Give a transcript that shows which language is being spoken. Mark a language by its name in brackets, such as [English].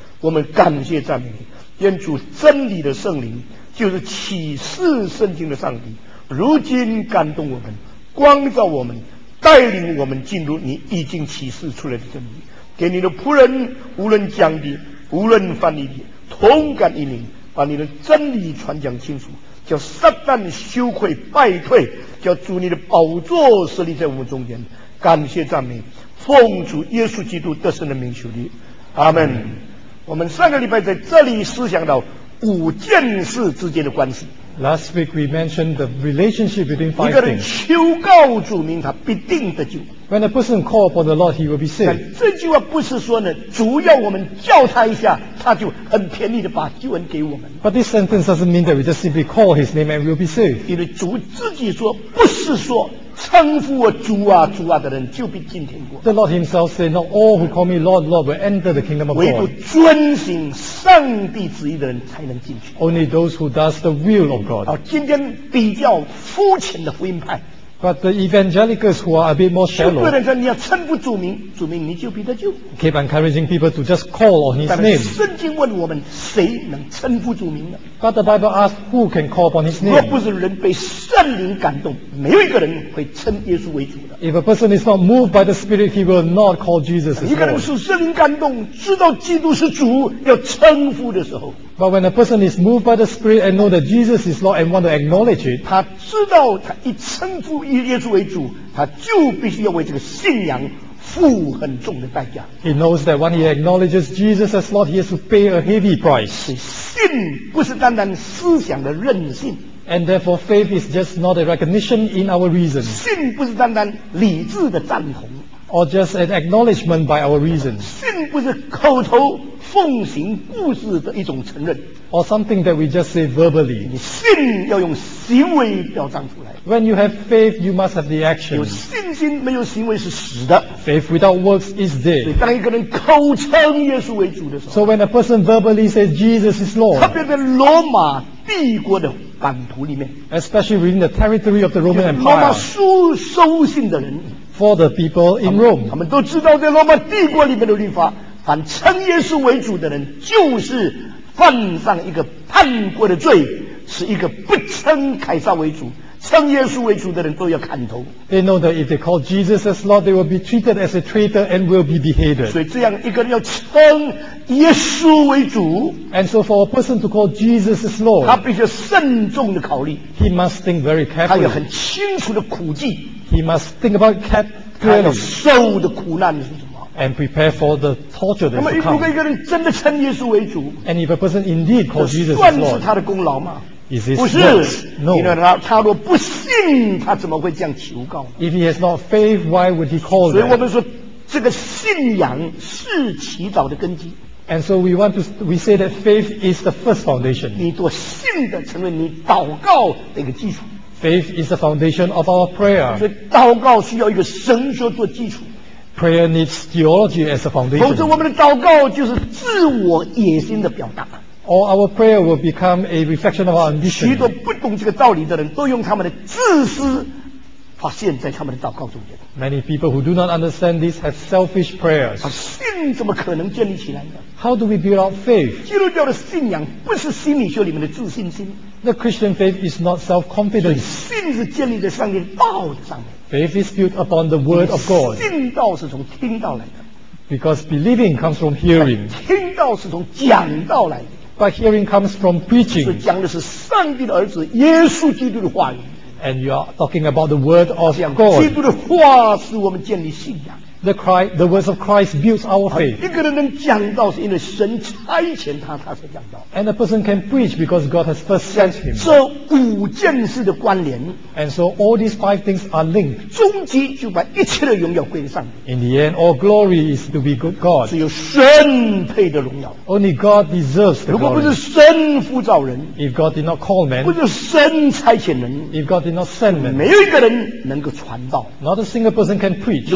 [Chinese] 我们感谢赞美你，愿主真理的圣灵，就是启示圣经的上帝，如今感动我们，光照我们，带领我们进入你已经启示出来的真理，给你的仆人无论讲的无论翻译的同感一灵，把你的真理传讲清楚，叫撒旦羞愧败退，叫主你的宝座设立在我们中间。感谢赞美，奉主耶稣基督得胜的名求你，阿们。我们上个礼拜在这里思想到五件事之间的关系。 [English] Last week we mentioned the relationship between five things. [Chinese] 一个人求告主名，他必定得救。 [English] When a person calls upon the Lord, he will be saved. [Chinese] 但这句话不是说呢，主要我们叫他一下，他就很便宜的把救恩给我们。 [English] But this sentence doesn't mean that we just simply call his name and we'll be saved. [Chinese] 因为主自己说，不是说称呼我主啊主啊的人就必进天国。 [English] The Lord himself said, not all who call me Lord, Lord will enter the kingdom of God. [Chinese] 唯独遵行上帝旨意的人才能进去。 [English] Only those who does the will of God. [Chinese] 今天比较肤浅的福音派。 [English] But the evangelicals who are a bit more shallow. [Chinese] 有个人说你要称呼主名，主名你就必得救。 [English] Keep encouraging people to just call on his name. [Chinese] 但是圣经问我们，谁能称呼主名呢？ [English] But the Bible asks who can call upon his name. [Chinese] 若不是人被圣灵感动，没有一个人会称耶稣为主的。 [English] If a person is not moved by the Spirit, he will not call Jesus as Lord. [Chinese] 一个人受圣灵感动，知道基督是主，要称呼的时候。 [English] But when a person is moved by the Spirit and know that Jesus is Lord and want to acknowledge it, [Chinese] 他知道他一称呼耶稣为主，他就必须要为这个信仰付很重的代价。 [English] He knows that when he acknowledges Jesus as Lord, he has to pay a heavy price. [Chinese] 信不是单单思想的任性。 [English] And therefore, faith is just not a recognition in our reason. [Chinese] 信不是单单理智的赞同。 [English] Or just an acknowledgement by our reason. [Chinese] 信不是口头奉行故事的一种承认。 [English] Or something that we just say verbally. [Chinese] 你信要用行为表彰出来。 [English] When you have faith, you must have the action. [Chinese] 有信心没有行为是死的。 [English] Faith without works is dead. [Chinese] 所以当一个人口称耶稣为主的时候。 [English] So when a person verbally says Jesus is Lord. [Chinese] 特别在罗马帝国的版图里面。 [English] Especially within the territory of the Roman Empire. [Chinese] 罗马书收信的人。 [English] For the people in Rome. [Chinese] 他们都知道在罗马帝国里面的律法。凡称耶稣为主的人，就是犯上一个叛国的罪，是一个不称凯撒为主、称耶稣为主的人都要砍头。 [English] They know that if they call Jesus as Lord, they will be treated as a traitor and will be beheaded. [Chinese] 所以这样一个人要称耶稣为主 [English] ，and so for a person to call Jesus as Lord, [Chinese] 他必须慎重的考虑 [English] ，he must think very carefully. [Chinese] 他有很清楚的苦计 [English] ，he must think about carefully. [Chinese] 他受的苦难是什么？ [English] and prepare for the torture that will come. [Chinese] 如果一个人真的称耶稣为主 [English] ，and if a person indeed calls Jesus [Chinese] Lord， 算是他的功劳吗？ [English] Is this [Chinese] 不是， [English] no. [Chinese] 因为他若不信，他怎么会这样求告呢？ [English] If he has not faith, why would he call? [Chinese] 所以我们说，这个信仰是祈祷的根基。 [English] And so we say that faith is the first foundation. [Chinese] 你所信的成为你祷告的一个基础。 [English] Faith is the foundation of our prayer. [Chinese] 所以祷告需要一个神学做基础。 [English] Prayer needs theology as a foundation. [Chinese] 否则我们的祷告就是自我野心的表达。 [English] Or our prayer will become a reflection of our ambition. [Chinese] 许多不懂这个道理的人都用他们的自私发现在他们的祷告中间。 [English] Many people who do not understand this have selfish prayers. [Chinese] 信怎么可能建立起来的？ [English] How do we build up faith? [Chinese] 基督教的信仰不是心理学里面的自信心。 [English] The Christian faith is not self-confidence. [Chinese] 信是建立在上帝的道的上面。 [English] Faith is built upon the word of God. [Chinese] 信道是从听道来的。 [English] Because believing comes from hearing. [Chinese] 听道是从讲道来的。 [English] But hearing comes from preaching. [Chinese] 是讲的是上帝的儿子耶稣基督的话语。 [English] And you are talking about the word of God. [Chinese] 基督的话使我们建立信仰。 [English] The words of Christ builds our faith. [Chinese] 一个人能讲道是因为神差遣他，他才讲道。 [English] And a person can preach because God has first sent him. [Chinese] 这五件事的关联。 [English] And so all these five things are linked. [Chinese] 终极就把一切的荣耀归给上帝。 [English] In the end, all glory is to be God. [Chinese] 只有神配的荣耀。 [English] Only God deserves the glory. [Chinese] 如果不是神呼召人 [English] ，If God did not call men， [Chinese] 不是神差遣人 [English] ，If God did not send men， [Chinese] 没有一个人能够传道。 [English] Not a single person can preach.